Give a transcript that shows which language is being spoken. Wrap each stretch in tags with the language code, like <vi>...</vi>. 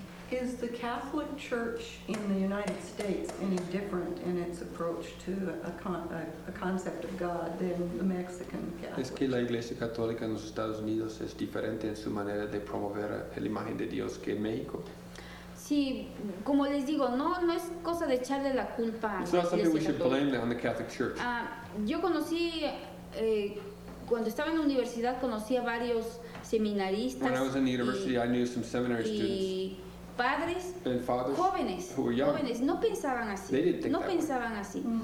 <en>Is the Catholic Church in the United States any different in its approach to a concept of God than the Mexican Catholic?</en> <es>Es que la Iglesia Católica en los Estados Unidos es diferente en su manera de promover la imagen de Dios que en México. Sí, como les digo, no es cosa de echarle la culpa a la Iglesia Católica.</es> <en>something we should blame on the Catholic Church.</en> <es>Yo conocí cuando estaba en la universidad conocí a varios seminaristas.</es> <en>When I was in the university, I knew some seminary students.</en> <es>Padres jóvenes, jóvenes no pensaban así, no pensaban así.</es>